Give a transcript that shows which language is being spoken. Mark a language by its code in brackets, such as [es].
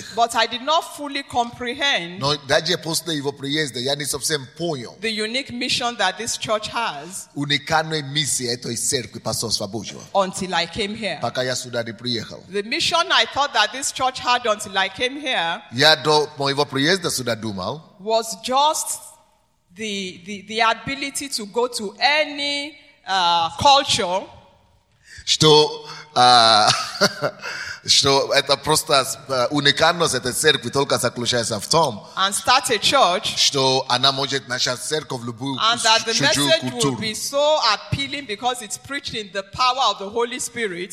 [en] But I did not fully comprehend the unique mission that this church has until I came here. The mission I thought that this church had until I came here was just the ability to go to any culture. [ru] Что это просто уникальность этой церкви только заключается в том, [en] and start a church, [ru] что она может начать церковь в любую культуру. [en] And that the message will be so appealing because it's preached in the power of the Holy Spirit.